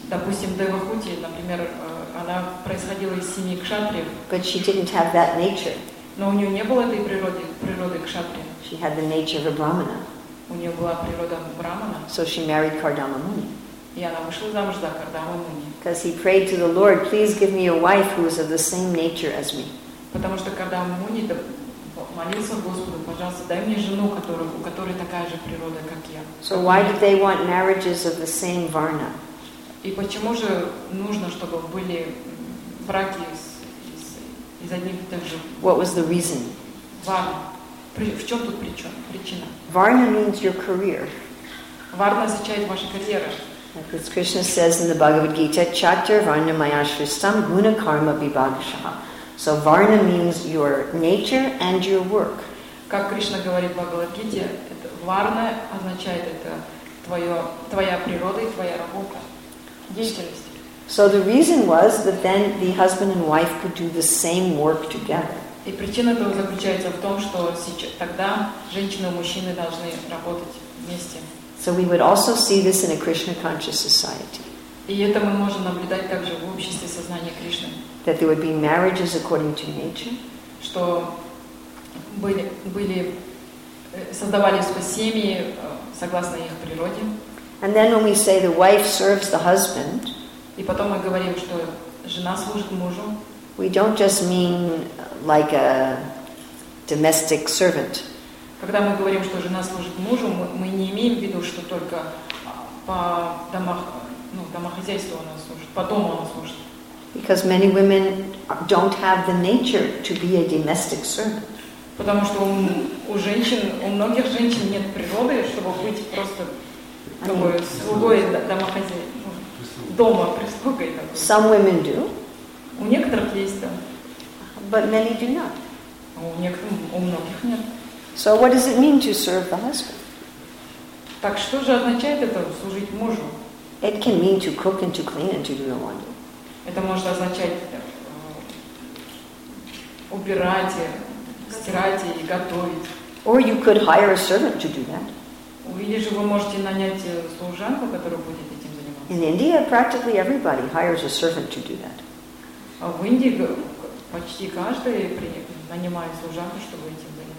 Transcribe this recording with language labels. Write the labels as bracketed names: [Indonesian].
[Russian] Допустим, Девахути, например, она происходила из семьи кшатриев. [English] But she didn't have that nature. [Russian] Но у нее не было этой природы, природы кшатрия. [English] She had the nature of a brahmana. [Russian] У нее была природа брахмана. [English] So she married Kardama Muni. [Russian] И она вышла замуж за Кардама Муни. [English] Because he prayed to the Lord, please give me a wife who is of the same nature as me. [Russian] Потому что Кардама Муни молился Господу, пожалуйста, дай мне жену, у которой такая же природа, как я. [English] So why did they want marriages of the same varna? [Russian] И почему же нужно, чтобы были браки из одних и тех же? [English] What was the reason? [Russian] Варна. В чем тут причина? [English] Varna means your career. [Russian] Варна означает ваша карьера. [English] As Krishna says in the Bhagavad Gita, [Sanskrit] Chatur Varna Mayashristam Guna Karma Vibhagashaha. [English] So Varna means your nature and your work. [Russian] Как Кришна говорит в Бхагавад Гите, Варна означает это твоя природа и твоя работа. [English] So the reason was that then the husband and wife could do the same work together. [Russian] И причина этого заключается в том, что тогда женщины и мужчины должны работать вместе. [English] So we would also see this in a Krishna conscious society. [Russian] И это мы можем наблюдать также в обществе сознания Кришны. [English] That there would be marriages according to nature. [Russian] Что были создавались по семьи согласно их природе. [English] And then when we say the wife serves the husband. [Russian] И потом мы говорим, что жена служит мужу. [English] We don't just mean like a domestic servant. [Russian] Когда мы говорим, что жена служит мужу, мы не имеем в виду, что только по домах, ну, домохозяйству она служит, по дому она служит. [English] Because many women don't have the nature to be a domestic servant. [Russian] Потому что у многих женщин нет природы, чтобы быть просто слугой домохозяйкой, дома прислугой. [English] Some women do. [Russian] У некоторых есть там. [English] But many do not. [Russian] У многих нет. [English] So what does it mean to serve the husband? [Russian] Так что же означает это служить мужу? [English] It can mean to cook and to clean and to do the laundry. [Russian] Это может означать убирать, стирать и готовить. [English] Or you could hire a servant to do that. [Russian] Или же вы можете нанять служанку, которая будет этим заниматься. [English] In India, practically everybody hires a servant to do that. [Russian] А в Индии почти каждый нанимает служанку, чтобы этим заниматься.